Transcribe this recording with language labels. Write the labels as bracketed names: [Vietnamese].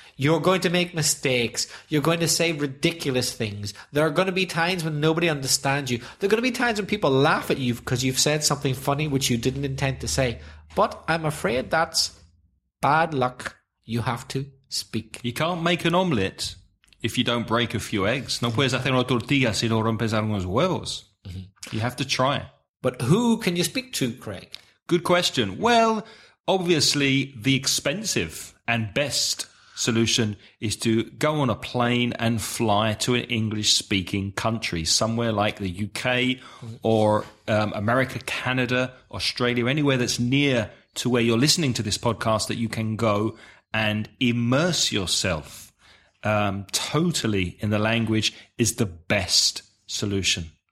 [English] You're going to make mistakes. You're going to say ridiculous things. There are going to be times when nobody understands you. There are going to be times when people laugh at you because you've said something funny which you didn't intend to say. But I'm afraid that's bad luck. You have to speak. You can't make an omelette if you don't break a few eggs. [Spanish] No puedes hacer una tortilla si no rompes algunos huevos. [English] Mm-hmm. You have to try. But who can you speak to, Craig? Good question. Well, obviously the expensive and best solution is to go on a plane and fly to an English-speaking country, somewhere like the UK or America, Canada, Australia, anywhere that's near to where you're listening to this podcast, that you can go and immerse yourself totally in the language is the best solution.